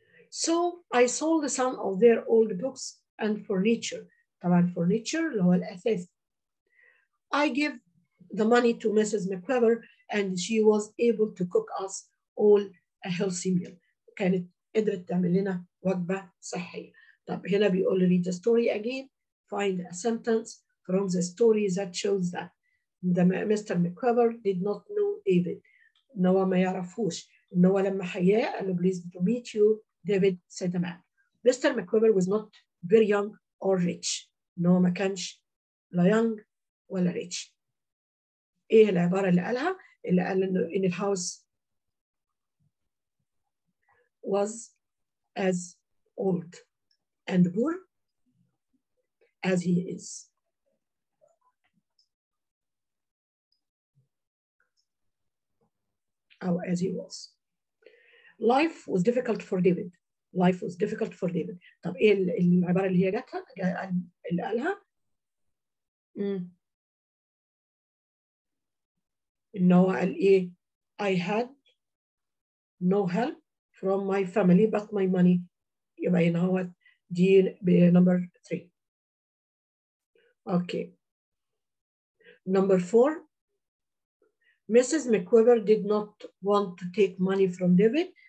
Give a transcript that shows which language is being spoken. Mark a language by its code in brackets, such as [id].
[en] So I sold some of their old books and furniture. [ar] طبعاً furniture اللي هو الأثاث. [en] I gave the money to Mrs. McWeber and she was able to cook us all a healthy meal. [ar] كانت قدرت تعمل لنا وجبة صحية. طب هنا بيقول [en] read the story again. Find a sentence from the story that shows that Mr. McWeber did not know David. [ar] نوا ما يعرفوش. نوا لما حياه قال له [en] please to meet you. David said the man. Mr. McWeber was not very young or rich. No, [ar] ما كانش لا [en] young ولا rich. [ar] إيه العبارة اللي قالها؟ اللي قال إنه [en] in the house was as old and poor as he is. Or as he was. Life was difficult for David. Life was difficult for David. [ar] طب إيه العبارة اللي هي جاتها؟ اللي قالها؟ إنه قال إيه؟ [en] I had no help from my family but my money. [ar] يبقى هنا هو دي بنمبر 3. اوكي نمبر 4, Mrs. [en] McWeaver did not want to take money from David.